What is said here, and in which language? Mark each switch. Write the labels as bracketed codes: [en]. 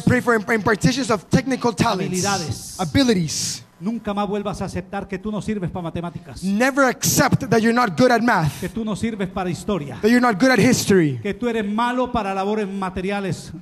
[en] to pray for impartitions of technical talents, abilities. [es] Nunca más vuelvas a aceptar que tú no sirves para matemáticas. [en] Never accept that you're not good at math. [es] Que tú no sirves para historia. [en] That you're not good at history. [es] Que tú eres malo para labores materiales.